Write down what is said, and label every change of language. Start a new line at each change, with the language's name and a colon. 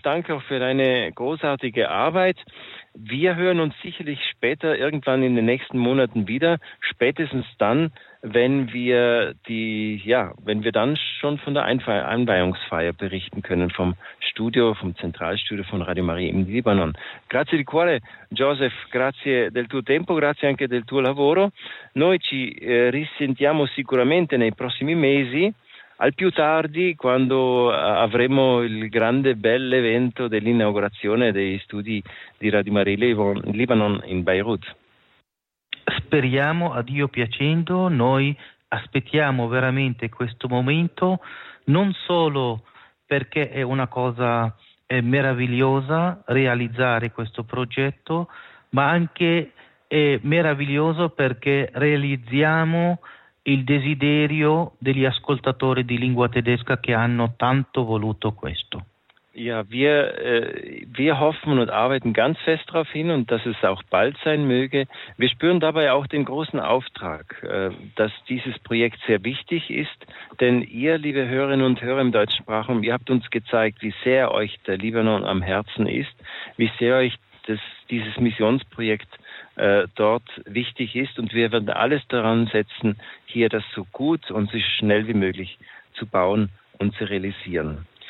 German: Danke auch für deine großartige Arbeit. Wir hören uns sicherlich später, irgendwann in den nächsten Monaten wieder. Spätestens dann, wenn wir dann schon von der Einweihungsfeier berichten können vom Studio, vom Zentralstudio von Radio Maria im Libanon.
Italian: Grazie di cuore, Joseph. Grazie del tuo tempo, grazie anche del tuo lavoro. Noi ci risentiamo sicuramente nei prossimi mesi. Al più tardi, quando avremo il grande bel evento dell'inaugurazione dei studi di Radio Maria Libanon in Beirut. Speriamo, a Dio piacendo, noi aspettiamo veramente questo momento, non solo perché è una cosa meravigliosa realizzare questo progetto, ma anche è meraviglioso perché realizziamo il desiderio degli ascoltatori di lingua tedesca che hanno tanto voluto questo.
German: Ja, wir hoffen und arbeiten ganz fest darauf hin und dass es auch bald sein möge. Wir spüren dabei auch den großen Auftrag, dass dieses Projekt sehr wichtig ist, denn ihr, liebe Hörerinnen und Hörer im deutschen Sprachraum, ihr habt uns gezeigt, wie sehr euch der Libanon am Herzen ist, wie sehr euch dieses Missionsprojekt dort wichtig ist, und wir werden alles daran setzen, hier das so gut und so schnell wie möglich zu bauen und zu realisieren.